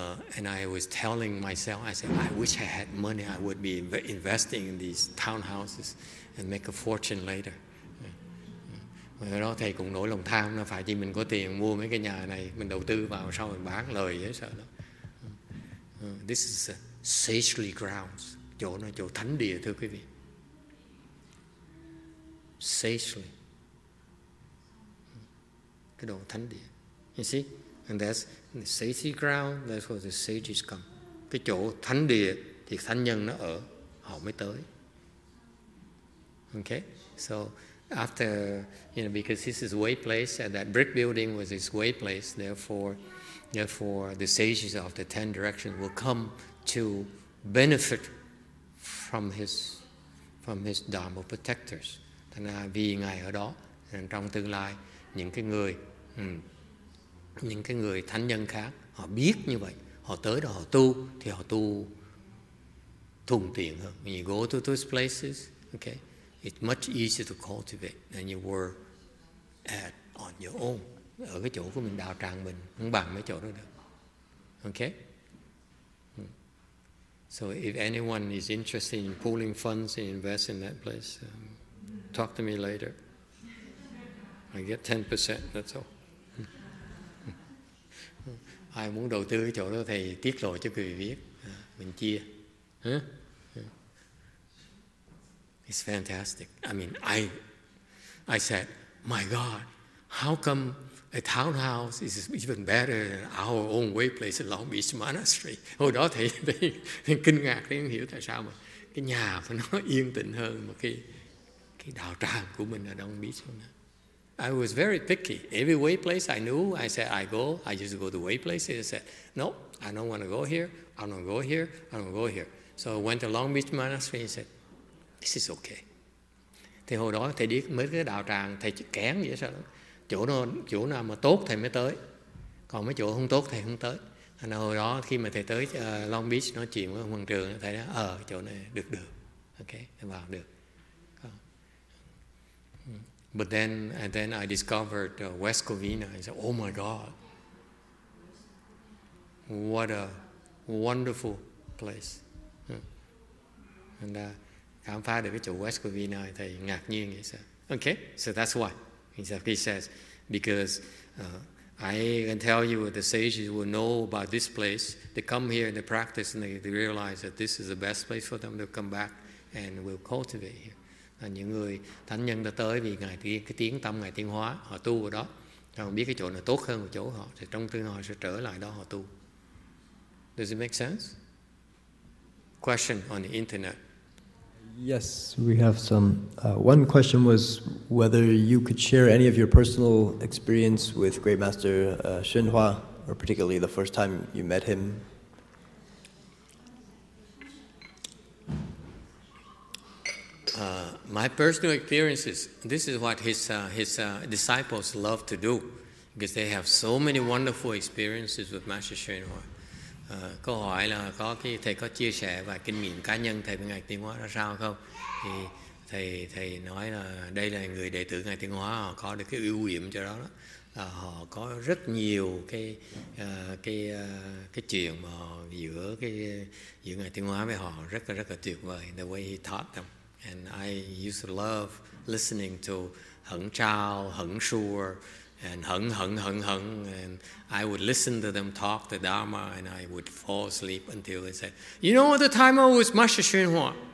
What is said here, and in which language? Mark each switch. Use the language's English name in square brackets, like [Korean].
[English] And I was telling myself, I said, I wish I had money. I would be investing in these townhouses and make a fortune later. Yeah. [Vietnamese] Do đó thầy cũng nổi lòng tham là phải chi mình có tiền mua mấy cái nhà này, mình đầu tư vào sau mình bán lời dễ sợ lắm. [English] This is sagely grounds, [Vietnamese] chỗ nó chỗ thánh địa thưa quý vị. Sagely, cái đồ thánh địa. [English] You see, and that's the sagely ground, that's where the sages come. [Vietnamese] Cái chỗ thánh địa thì thánh nhân nó ở, họ mới tới. [English] Okay, so after, you know, because this is way place, and that brick building was his way place, therefore the sages of the 10 directions will come to benefit from his Dharma protectors. [Vietnamese] Thành ra vì Ngài ở đó, trong tương lai, những cái người thánh nhân khác, họ biết như vậy, họ tới đó họ tu, thì họ tu thuận tiện hơn. [English] When you go to those places, okay, it's much easier to cultivate than you were at on your own. [Vietnamese] Ở cái chỗ của mình đào tràng mình không bằng mấy chỗ đó được. [English] Okay? So if anyone is interested in pooling funds and invest in that place, talk to me later. I get 10%, that's all. [Vietnamese] Ai muốn đầu tư cái chỗ đó thì tiết lộ cho quý vị biết. Mình chia. Huh? [English] It's fantastic. I mean, I said, my God, how come a townhouse is even better than our own way place in Long Beach Monastery? [Vietnamese] Hồi đó thầy kinh ngạc, thầy không hiểu tại sao mà cái nhà của nó yên tĩnh hơn mà cái đạo tràng của mình ở Long Beach. [English] I was very picky. Every way place I knew, I said, I just go to way places. I said, no, I don't want to go here. I don't go here. I don't go here. So I went to Long Beach Monastery and said, this is okay. [Vietnamese] Thì hồi đó thầy biết mấy cái đạo tràng thầy kén vậy sao đó. Chỗ nào mà tốt thầy mới tới. Còn mấy chỗ không tốt thầy không tới. Thì hồi đó khi mà thầy tới Long Beach nói chuyện với ông Hoàng Trường, thầy nói chỗ này được. Okay, thầy vào được. [English] But then I discovered West Covina. I said, oh my God, what a wonderful place. [Vietnamese] Khám phá được cái chỗ West Covina thì ngạc nhiên vậy sao? [English] Okay, so that's why he says because I can tell you the sages will know about this place. They come here and they practice and they realize that this is the best place for them to come back and will cultivate here. [Vietnamese] Là những người thánh nhân đã tới vì ngài cái tiếng tâm ngài tiến hóa, họ tu ở đó, họ biết cái chỗ nào tốt hơn của chỗ họ thì trong tương lai sẽ trở lại đó họ tu. [English] Does it make sense? Question on the internet. Yes, we have some. One question was whether you could share any of your personal experience with Great Master Xinhua, or particularly the first time you met him. My personal experiences, this is what his disciples love to do, because they have so many wonderful experiences with Master Xinhua. [Vietnamese] Câu hỏi là có cái thầy có chia sẻ vài kinh nghiệm cá nhân thầy với ngài Tiên Hóa ra sao không, thì thầy nói là đây là người đệ tử ngài Tiên Hóa, họ có được cái ưu điểm cho đó đó là họ có rất nhiều cái chuyện mà giữa ngài Tiên Hóa với họ rất là tuyệt vời. [English] The way he taught them, and I used to love listening to Hẳn Trao, Hẳn Sure, and hẳn, and I would listen to them talk the Dharma, and I would fall asleep until they said, you know what the time was, Master Xinhua?